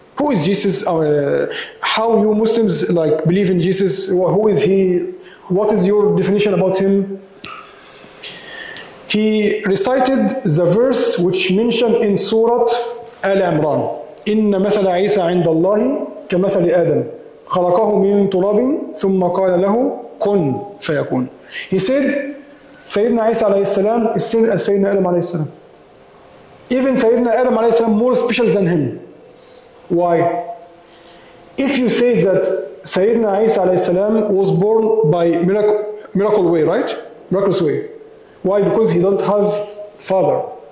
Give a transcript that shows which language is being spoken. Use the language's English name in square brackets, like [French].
[English] Who is Jesus? How you Muslims like believe in Jesus? Who is he? What is your definition about him? He recited the verse which mentioned in Surah Al-Imran. [Arabic] Inna mathala Isa 'inda Allah ka mathali Adam. خلقه من تراب ثم قال له كن فيكون. [English] He said Sayyidina Isa alayhi salam is the same as Sayyidina Adam alayhi salam. Even Sayyidina Adam alayhi salam more special than him. Why? If you say that Sayyidina Isa alayhi salam was born by miracle way, right? Miraculous way. Why? Because he don't have father.